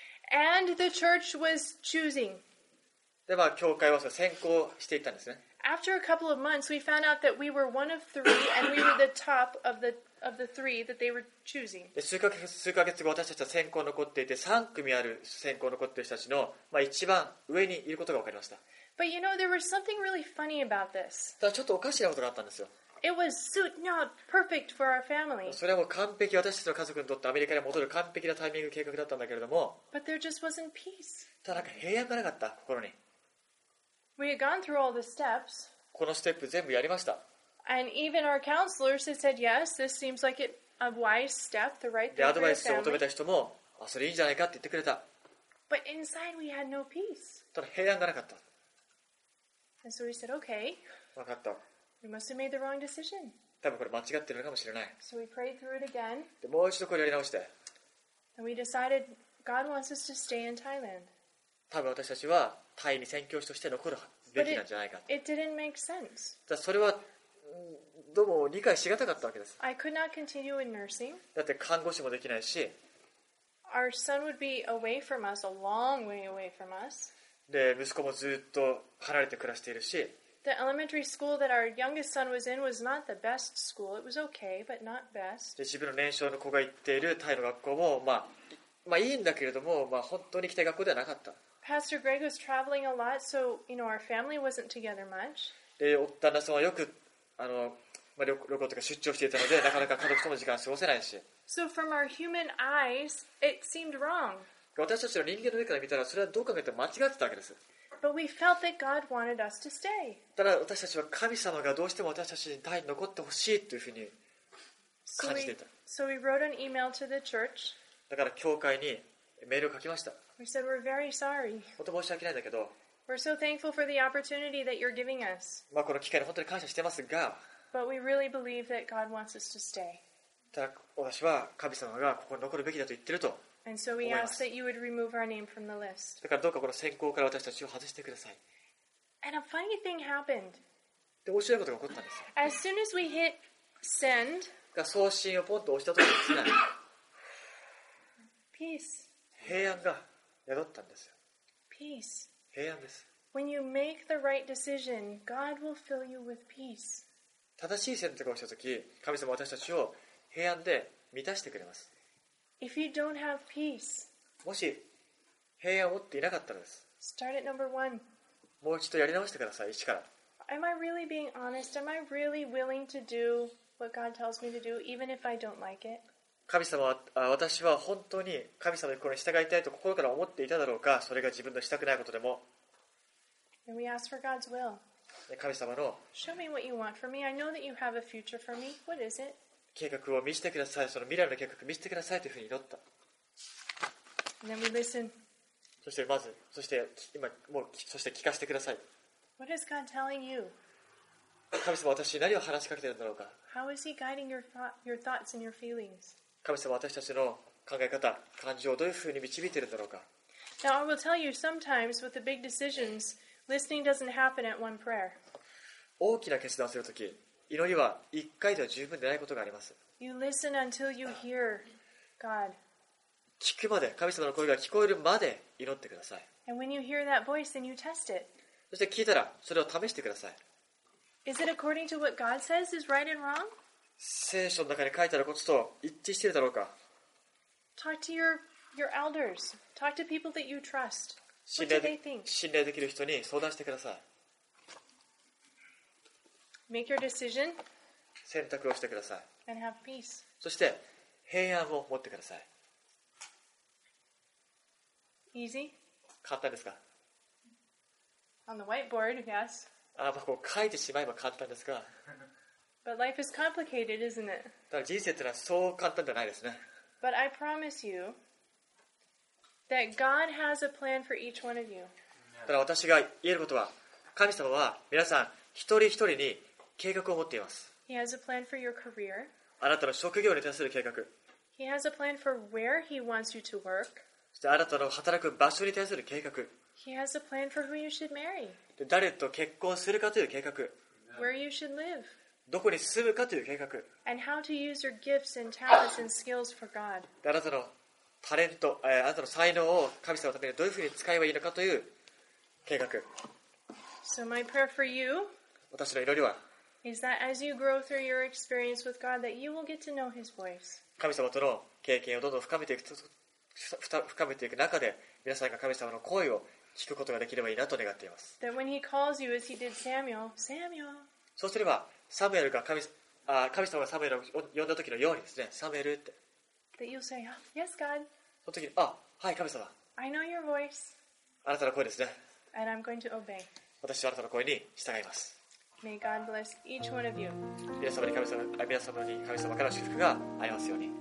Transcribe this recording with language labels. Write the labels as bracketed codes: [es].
[en] And the church was choosing. [ja] で、まあ教会はその選考していったんですね。 [en] After a couple of months, we found out that we were one of three, and we were the top of the three that they were choosing. [ja] で、数ヶ月後、私たちは選考残っていて、3組ある選考残っている人たちの、まあ、一番上にいることが分かりました。 [en] But you know, there was something really funny about this. [ja] ただちょっとおかしなことがあったんですよ。 [en] It was suit not perfect for our family. [ja] それはもう完璧、私たちの家族にとってアメリカに戻る完璧なタイミング計画だったんだけれども。 [en] But there just wasn't peace. [ja] ただなんか平安がなかった、心に。 [en] We had gone through all the steps. [ja] このステップ全部やりました。 [en] And even our counselors had said, yes, this seems like a wise step, the right thing [ja] で、アドバイスを求めた人も、あ、それいいんじゃないかって言ってくれた。 [en] But inside we had no peace. [ja] ただ平安がなかった。 [en] And so we said, okay. [ja] 分かった。 [en] We must have made the wrong decision. [ja] 多分これ間違ってるのかもしれない。 [en] So we prayed through it again. [ja] で、もう一度これやり直して。 [en] And we decided God wants us to stay in Thailand. [ja] 多分私たちはタイに宣教師として残るべきなんじゃないか。 [en] But it didn't make sense. [ja] じゃあそれはどうも理解しがたかったわけです。 [en] I could not continue in nursing. [ja] だって看護師もできないし。 [en] Our son would be away from us, a long way away from us. [ja] で、息子もずっと離れて暮らしているし、 [en] The elementary school that our youngest son was in was not the best school. It was okay, but not best. [ja] で、自分の年少の子が行っているタイの学校も、まあ、いいんだけれども、まあ、本当に行きたい学校ではなかった。 [en] Pastor Greg was traveling a lot, so, you know, our family wasn't together much. [ja] で、旦那さんはよく、まあ、旅行とか出張していたので、なかなか家族との時間を過ごせないし。 [en] So from our human eyes, it seemed wrong. [ja] 私たちの人間の目から見たら、それはどう考えても間違ってたわけです。 [en] But we felt that God wanted us to stay. [ja] ただ私たちは神様がどうしても私たちにタイに残ってほしいというふうに感じていた。 [en] So we wrote an email to the church. [ja] だから教会にメールを書きました。 [en] We said we're very sorry. [ja] 本当申し訳ないんだけど。 [en] We're so thankful for the opportunity that you're giving us. [ja] まあこの機会に本当に感謝してますが。 [en] But we really believe that God wants us to stay. [ja] ただ私は神様がここに残るべきだと言ってると。 [en] And so we ask that you would remove our name from the list. [ja] だからどうかこの選考から私たちを外してください。 [en] And a funny thing happened. [ja] で、面白いことが起こったんです。 [en] As soon as we hit send, [ja] 送信をポンと押したときですね。 [en] Peace. [ja] 平安が宿ったんですよ。 [en] Peace. [ja] 平安です。 [en] When you make the right decision, God will fill you with peace. [ja] 正しい選択をしたとき、神様は私たちを平安で満たしてくれます。 [en] If you don't have peace, [ja] もし平安を持っていなかったらです。 [en] Start at number one. [ja] もう一度やり直してください、一から。 [en] Am I really being honest? Am I really willing to do what God tells me to do, even if I don't like it? [ja] 神様は、私は本当に神様の心に従いたいと心から思っていただろうか、それが自分のしたくないことでも。 [en] And we ask for God's will. [ja] 神様の、 [en] Show me what you want for me. I know that you have a future for me. What is it? [ja] 計画を見せてください。その未来の計画を見せてくださいというふうに祈った。 [en] And then we listen. [ja] そしてまず、そして今もうそして聞かせてください。 [en] What is God telling you? [ja] 神様は私に何を話しかけているんだろうか。 [en] How is he guiding your thoughts and your feelings? [ja] 神様は私たちの考え方、感情をどういうふうに導いているんだろうか。 [en] Now I will tell you sometimes with the big decisions, listening doesn't happen at one prayer. [ja] 大きな決断をするとき。祈りは一回では十分でないことがあります。 [en] You listen until you hear God. [ja] 聞くまで、神様の声が聞こえるまで祈ってください。 [en] And when you hear that voice, then you test it. [ja] そして聞いたら、それを試してください。 [en] Is it according to what God says is right and wrong? [ja] 聖書の中に書いてあることと一致しているだろうか。 [en] Talk to your elders. Talk to people that you trust. What do they think? [ja] 信頼できる人に相談してください。 [en] Make your decision. [ja] 選択をしてください。 [en] And have peace. [ja] そして平安を持ってください。 [en] Easy. [ja] 簡単ですか。 [en] On the whiteboard, yes. [ja] まあ、こう書いてしまえば簡単ですが。 [en] But life is complicated, isn't it? [ja] だから人生ってのはそう簡単ではないですね。 [en] But I promise you that God has a plan for each one of you. [ja] だから私が言えることは、神様は皆さん一人一人に計画を持っています。 [en] He has a plan for your career. [ja] あなたの職業に対する計画。 [en] He has a plan for where he wants you to work. [ja] そしてあなたの働く場所に対する計画。 [en] He has a plan for who you should marry. [ja] で、誰と結婚するかという計画。 [en] Where you should live. [ja] どこに住むかという計画。 [en] And how to use your gifts and talents and skills for God. [ja] で、あなたのタレント、あなたの才能を神様のためにどういうふうに使えばいいのかという計画。 [en] So my prayer for you. [ja] 私の祈りは。 [en] Is that as you grow through your experience with God that you will get to know His voice? [ja] 神様との経験をどんどん深めていく中で、皆さんが神様の声を聞くことができればいいなと願っています。 [en] That when He calls you as He did Samuel, Samuel. [ja] そうすればサムエルが神様がサムエルを呼んだ時のようにですね、サムエルって。 [en] That you'll say, Yes, God. [ja] その時に、あ、はい、神様。 [en] I know Your voice. [ja] あなたの声ですね。 [en] And I'm going to obey. [ja] 私はあなたの声に従います。 [en] May God bless each one of you. [ja] 皆様に神様からの祝福がありますように。